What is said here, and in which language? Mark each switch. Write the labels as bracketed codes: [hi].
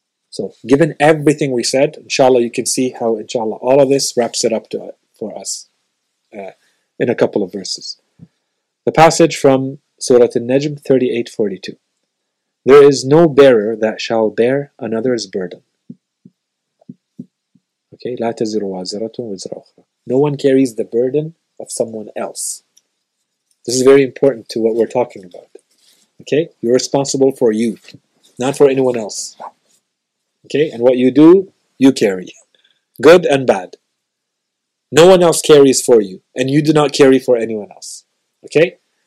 [en] So given everything we said, inshallah, you can see how, inshallah, all of this wraps it up for us in a couple of verses. The passage from Surah An-Najm, 38, 42. There is no bearer that shall bear another's burden. [ar] Okay, لا تزر وازرة وزر أخرى. [en] No one carries the burden of someone else. This is very important to what we're talking about. Okay, you're responsible for you, not for anyone else. Okay, and what you do, you carry. Good and bad. No one else carries for you, and you do not carry for anyone else. Okay?